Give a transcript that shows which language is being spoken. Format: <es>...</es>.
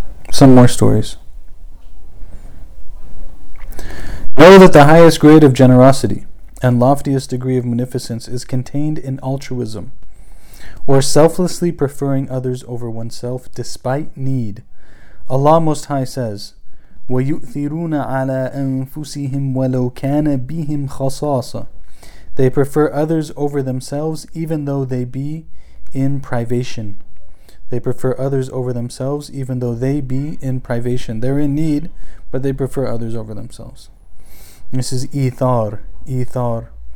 <en>Some more stories. Know that the highest grade of generosity and loftiest degree of munificence is contained in altruism, or selflessly preferring others over oneself despite need. Allah Most High says,</en> <ar>وَيُؤْثِرُونَ عَلَىٰ أَنفُسِهِمْ وَلَوْ كَانَ بِهِمْ خَصَاصَ.</ar> <en>They prefer others over themselves even though they be in privation. They prefer others over themselves even though they be in privation. They're in need, but they prefer others over themselves. This is Ithar.</en>